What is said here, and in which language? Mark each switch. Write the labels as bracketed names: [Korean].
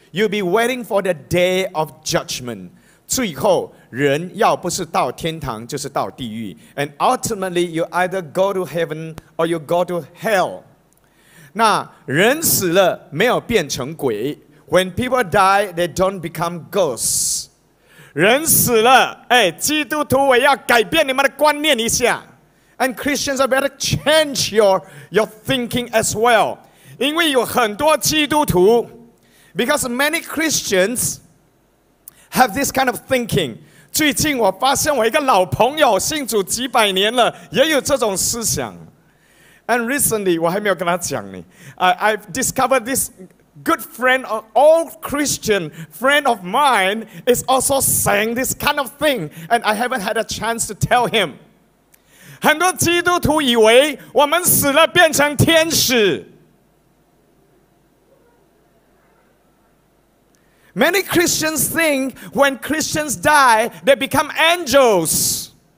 [English] You'll be waiting for the day of judgment. [Chinese] 最后人要不是到天堂就是到地狱。 [English] And ultimately, you either go to heaven or you go to hell. [Chinese] 那人死了没有变成鬼。 [English] When people die, they don't become ghosts. [Chinese] 人死了，哎，基督徒，我要改变你们的观念一下。 [English] And Christians are better change your thinking as well. [Chinese] 因为有很多基督徒 [English] ，because many Christians have this kind of thinking. [Chinese] 最近我发现我一个老朋友信主几百年了，也有这种思想。 [English] And recently, [Chinese] 我还没有跟他讲呢。 [English] I've discovered this. Good friend, an old Christian friend of mine, is also saying this kind of thing, and I haven't had a chance to tell him. [Chinese] 很多基督徒以为我们死了变成天使。 [English] Many Christians think when Christians die, they become angels.